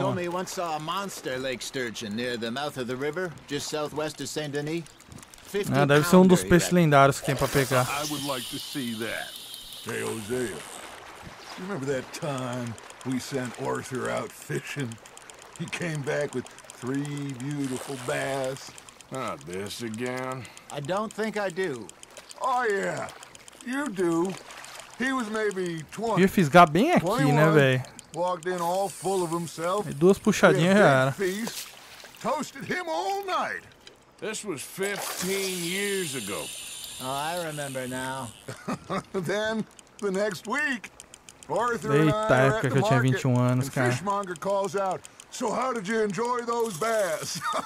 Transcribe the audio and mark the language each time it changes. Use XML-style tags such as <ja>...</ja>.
<en>Tommy once saw a monster lake sturgeon near the mouth of the river, just southwest of Saint Denis.</en> <pt>Ah, deve ser um dos peixes lendários que tem pra pegar.</pt> <en>I would like to see that. Hey, Hosea. Remember that time? We sent Arthur out fishing. He came back with three beautiful bass. Not this again. I don't think I do. Oh yeah, you do. He was maybe 20.</en> <pt>Ia fisgar bem aqui, né, velho?</pt> <en>Walked in all full of himself.</en> <pt>E duas puxadinhas já era.</pt> <en>Feast, toasted him all night. This was 15 years ago. Oh, I remember now. Then the next week.</en> <pt>Eita, época que eu tinha 21 anos, cara.</pt> <en>And fishmonger calls out, so how did you enjoy those bass?</en>